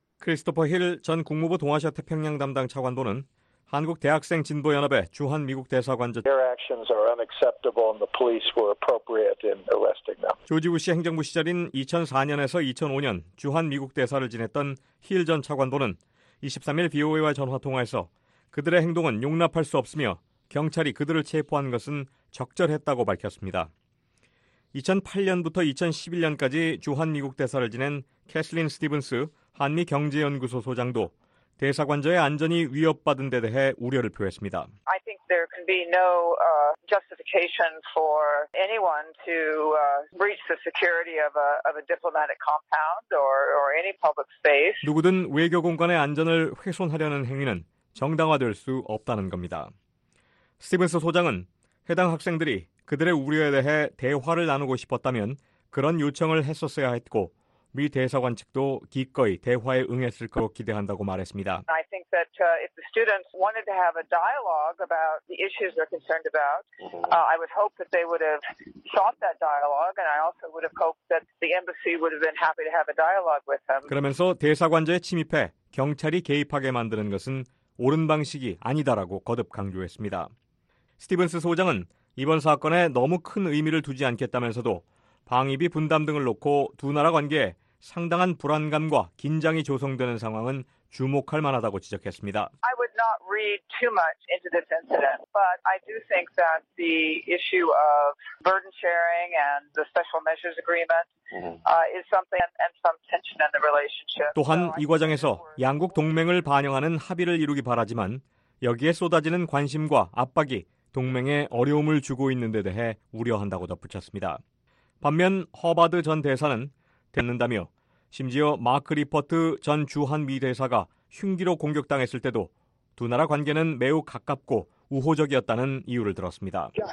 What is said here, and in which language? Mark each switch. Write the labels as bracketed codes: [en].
[ko] 크리스토퍼 힐 전 국무부 동아시아 태평양 담당 차관보는 한국 대학생 진보 연합의 주한 미국 대사관저 조지 부시 행정부 시절인 2004년에서 2005년 주한 미국 대사를 지냈던 힐 전 차관보는 23일 VOA와 전화 통화에서 그들의 행동은 용납할 수 없으며 경찰이 그들을 체포한 것은 적절했다고 밝혔습니다. 2008년부터 2011년까지 주한 미국 대사를 지낸 캐슬린 스티븐스 한미 경제연구소 소장도 대사관저의 안전이 위협받은 데 대해 우려를 표했습니다. [en] I think there can be no justification for anyone to breach the security of a diplomatic compound or any public space. [ko] 누구든 외교 공간의 안전을 훼손하려는 행위는 정당화될 수 없다는 겁니다. 스티븐스 소장은 해당 학생들이 그들의 우려에 대해 대화를 나누고 싶었다면 그런 요청을 했었어야 했고 미 대사관 측도 기꺼이 대화에 응했을 것으로 기대한다고 말했습니다. 그러면서 대사관저에 침입해 경찰이 개입하게 만드는 것은 옳은 방식이 아니다라고 거듭 강조했습니다. 스티븐스 소장은 이번 사건에 너무 큰 의미를 두지 않겠다면서도 방위비 분담 등을 놓고 두 나라 관계에 상당한 불안감과 긴장이 조성되는 상황은 주목할 만하다고 지적했습니다. [en] I would not read too much into this incident, but I do think that the issue of burden sharing and the special measures agreement is something and some tension in the relationship. [ko] 또한 이 과정에서 양국 동맹을 반영하는 합의를 이루기 바라지만 여기에 쏟아지는 관심과 압박이 동맹에 어려움을 주고 있는 데 대해 우려한다고 덧붙였습니다. 반면 허바드 전 대사는 됐는다며 심지어 마크 리퍼트 전 주한미 대사가 흉기로 공격당했을 때도 두 나라 관계는 매우 가깝고 우호적이었다는 이유를 들었습니다.